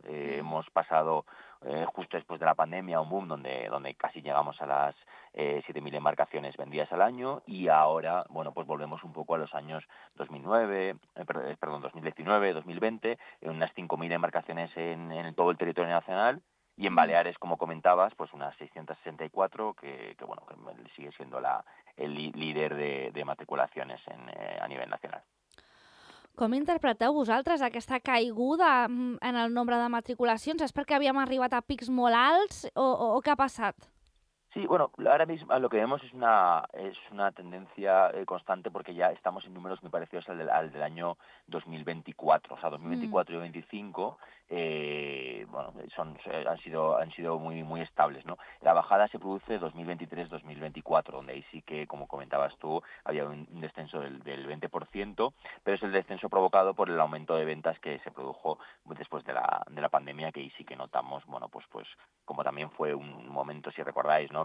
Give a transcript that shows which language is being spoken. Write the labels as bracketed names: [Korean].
[Spanish] Hemos pasado justo después de la pandemia un boom donde casi llegamos a las 7.000 embarcaciones vendidas al año y ahora, bueno, pues volvemos un poco a los años 2019, 2020, en unas 5.000 embarcaciones en todo el territorio nacional. Y en Baleares, como comentabas, pues unas 664, que bueno, que sigue siendo el líder de matriculaciones a nivel nacional. [Catalan] Com interpreteu vosaltres aquesta caiguda en el nombre de matriculacions? És perquè havíem arribat a pics molt alts o què ha passat? [Spanish] Sí, bueno, ahora mismo lo que vemos es una tendencia constante porque ya estamos en números muy parecidos al del año 2024, o sea, 2024 y 2025, bueno, han sido muy muy estables, ¿no? La bajada se produce 2023-2024, donde ahí sí que, como comentabas tú, había un descenso del 20%, pero es el descenso provocado por el aumento de ventas que se produjo después de la pandemia, que ahí sí que notamos, bueno, pues como también fue un momento, si recordáis, ¿no?